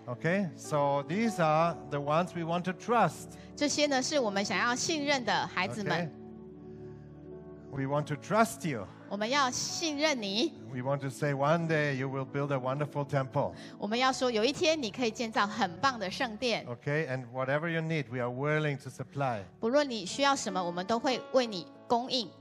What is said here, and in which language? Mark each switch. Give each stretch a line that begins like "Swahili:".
English: Okay, so these are the ones we want to trust.
Chinese: 这些呢是我们想要信任的孩子们。
English: We want to trust you.
Chinese: 我们要信任你。
English: We want to say one day you will build a wonderful temple.
Chinese: 我们要说有一天你可以建造很棒的圣殿。
English: Okay, and whatever you need, we are willing to supply.
Chinese: 不论你需要什么，我们都会为你供应。